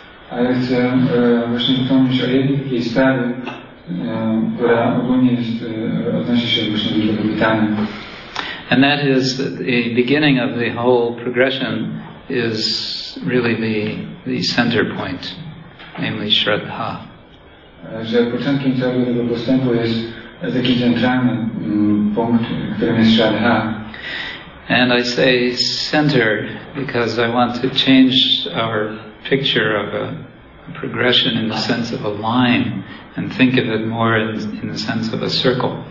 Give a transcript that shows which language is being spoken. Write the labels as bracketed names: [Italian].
[Polish] Ale chcę właśnie wspomnieć o jednej sprawie, która ogólnie odnosi się właśnie do tego pytania. [English] And that is that the beginning of the whole progression is really the center point, namely Shraddha. [Polish] Że początkiem całego tego postępu jest taki centralny punkt, którym jest Shraddha. [English] And I say center because I want to change our picture of a progression in the sense of a line and think of it more in the sense of a circle.